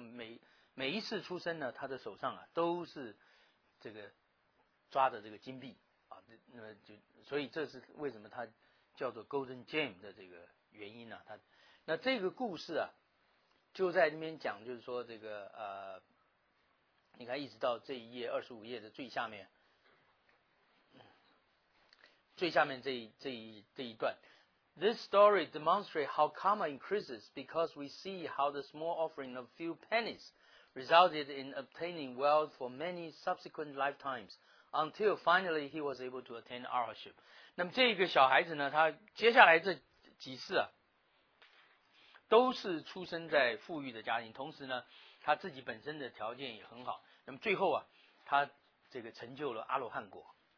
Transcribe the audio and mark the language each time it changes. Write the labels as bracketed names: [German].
[Chinese] 那么每一次出生呢，他的手上啊都是这个抓着这个金币啊，那么就所以这是为什么他叫做 Golden Gem 的这个原因呢、啊？那这个故事啊，就在那边讲，就是说这个你看一直到这一页25页的最下面，最下面这一段。 [English] This story demonstrates how karma increases because we see how the small offering of few pennies resulted in obtaining wealth for many subsequent lifetimes until finally he was able to attain arhatship. [Chinese] 那么这个小孩子呢，他接下来这几世啊，都是出生在富裕的家庭，同时呢，他自己本身的条件也很好。那么最后啊，他这个成就了阿罗汉果。